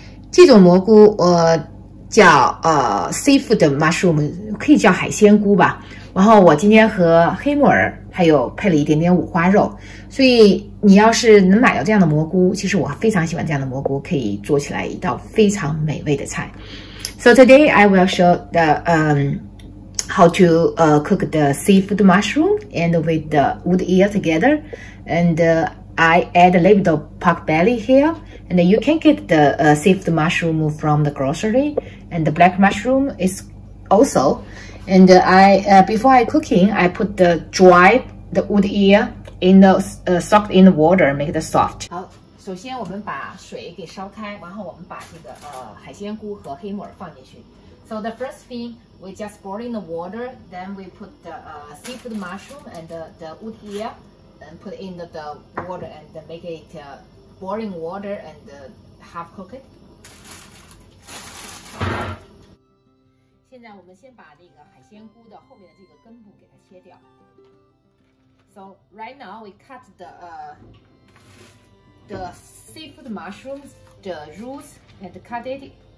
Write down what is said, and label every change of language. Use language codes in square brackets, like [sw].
[zh] 这种蘑菇我叫seafoodmushroom， 可以叫海鲜菇吧。然后我今天和黑木耳还有配了一点点五花肉，所以你要是能买到这样的蘑菇，其实我非常喜欢这样的蘑菇，可以做起来一道非常美味的菜。 [en] So today I will show the how to cook the seafood mushroom and with the wood ear together andI add a little bit of pork belly here, and you can get the seafood mushroom from the grocery, and the black mushroom is also. And I, before I cooking, I put the dry, the wood ear in the, soaked in the water, make it soft. [zh] 好，首先我们把水给烧开，然后我们把这个海鲜菇和黑木耳放进去。 [en] So the first thing, we just boiling the water, then we put the seafood mushroom and the wood ear. And put in the water and make it boiling water and half cook it. [zh] 现在我们先把这个海鲜菇的后面的这个根部给它切掉。 [en] So right now we cut the seafood mushrooms, the roots and cut it.